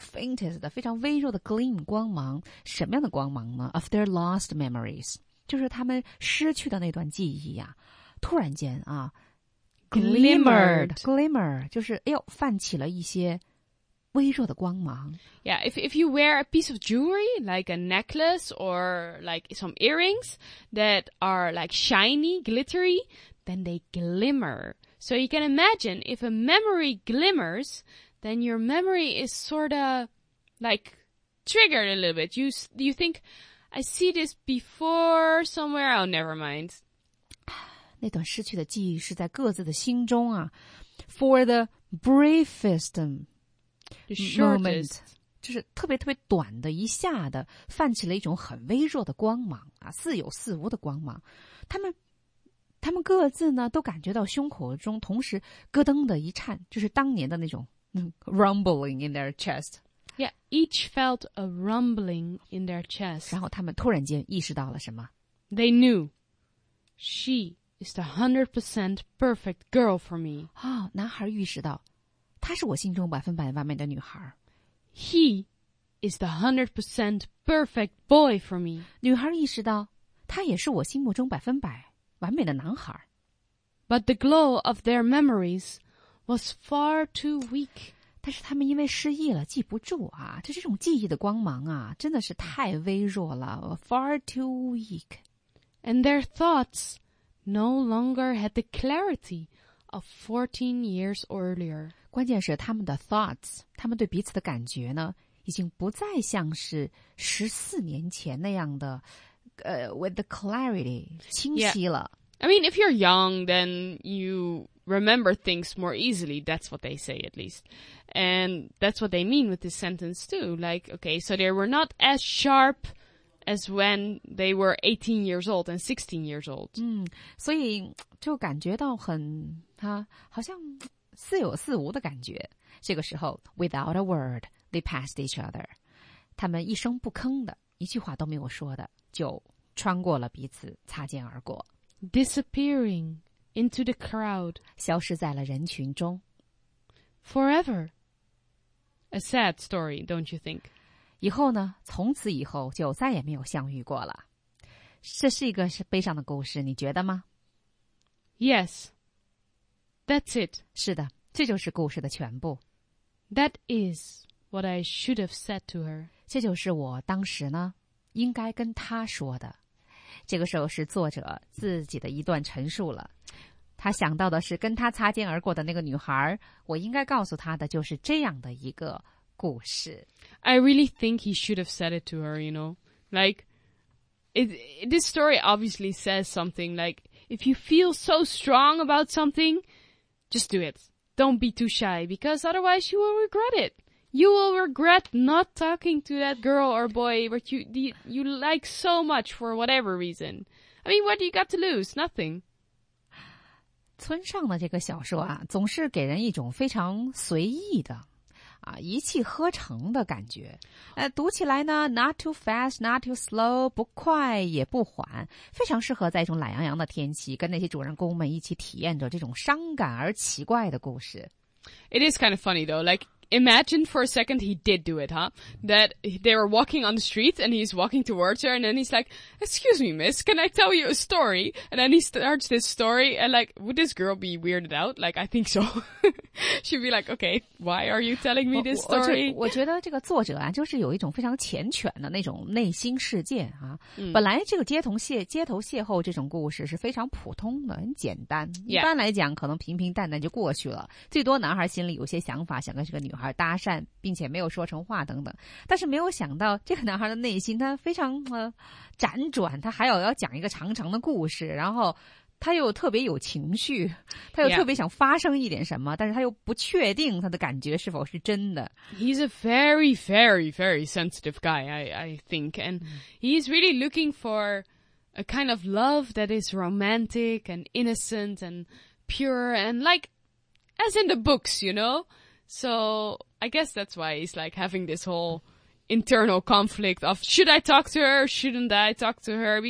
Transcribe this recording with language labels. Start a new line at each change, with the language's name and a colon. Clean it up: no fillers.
Chinese: Faintest, 非常微弱的 gleam, 光芒。什么样的光芒呢?
English: Of their lost memories.
Chinese: 就是他们失去的那段记忆啊。突然间啊。
English: Glimmered.
Chinese: Glimmer, 就是哎呦泛起了一些微弱的光芒。
English: Yeah, if you wear a piece of jewelry, like a necklace or like some earrings that are like shiny, glittery, then they glimmer. So you can imagine if a memory glimmers, then your memory is sort of like triggered a little bit. You think, I see this before somewhere, oh, never mind.
Chinese: 那段失去的记忆是在各自的心中啊。
English: For the briefest The
Chinese: moment, 就是特别特别短的一下的泛起了一种很微弱的光芒啊，似有似无的光芒。他们各自呢都感觉到胸口中同时咯噔的一颤，就是当年的那种 rumbling in their chest.
English: Yeah, each felt a rumbling in their chest.
Chinese: 然后他们突然间意识到了什么
English: ？They knew she is the 100% perfect girl for me.
Chinese: 啊、哦，男孩意识到。她是我心中百分百完美的女孩。
English: He is the 100% perfect boy for me.
Chinese: 女孩意识到，她也是我心目中百分百完美的男孩。
English: But the glow of their memories was far too weak.
Chinese: 但是他们因为失忆了，记不住啊，就这种记忆的光芒啊，真的是太微弱了 ，
English: far too weak. And their thoughts no longer had the clarity of 14 years earlier.
Chinese: 关键是他们的 thoughts, 他们对彼此的感觉呢已经不再像是14年前那样的
English: with the clarity,
Chinese: 清晰了。 Yeah.
English: I mean, if you're young, then you remember things more easily. That's what they say, at least. And that's what they mean with this sentence, too. Like, okay, so they were not as sharp as when they were 18 years old and 16 years old.
Chinese: 嗯，所以就感觉到很，啊，好像似有似无的感觉。这个时候
English: ，without a word, they passed each other.
Chinese: 他们一声不吭的，一句话都没有说的，就穿过了彼此，擦肩而过
English: ，disappearing into the crowd，
Chinese: 消失在了人群中
English: ，forever. A sad story, don't you think?
Chinese: 以后呢？从此以后就再也没有相遇过了。这是一个是悲伤的故事，你觉得吗
English: ？Yes. That's it.
Chinese: 是的，这就是故事的全部。
English: That is what I should have said to her.
Chinese: 这就是我当时呢，应该跟她说的。这个时候是作者自己的一段陈述了。他想到的是跟他擦肩而过的那个女孩，我应该告诉她的就是这样的一个故事。
English: I really think he should have said it to her, you know? Like, this story obviously says something like, if you feel so strong about something...Just do it. Don't be too shy, because otherwise you will regret it. You will regret not talking to that girl or boy what you like so much for whatever reason. I mean, what do you got to lose? Nothing.
Chinese: 村上的这个小说啊，总是给人一种非常随意的啊，一气呵成的感觉。读起来呢 ，
English: not too fast, not too slow,
Chinese: 不快也不缓，非常适合在一种懒洋洋的天气，跟那些主人公们一起体验着这种伤感而奇怪的故事。
English: It is kind of funny though, like imagine for a second he did do it, huh? That they were walking on the street and he's walking towards her and then he's like, excuse me, miss, can I tell you a story? And then he starts this story and like, would this girl be weirded out? Like, I think so. She'd be like, okay, why are you telling me this story?
Chinese: 我觉得这个作者啊，就是有一种非常缱绻的那种内心世界啊。本来这个街头邂逅这种故事是非常普通的，很简单。一般来讲，可能平平淡淡就过去了。最多男孩心里有些想法，想跟这个女孩搭讪，并且没有说成话等等，但是没有想到这个男孩的内心他非常辗转，他还要讲一个长长的故事，然后他又特别有情绪，他又特别想发生一点什么、 yeah. 但是他又不确定他的感觉是否是真的。
English: He's a very very very sensitive guy, I think, and he's really looking for a kind of love that is romantic and innocent and pure and like as in the books, you know. So, I guess that's why he's like having this whole internal conflict of should I talk to her, shouldn't I talk to her?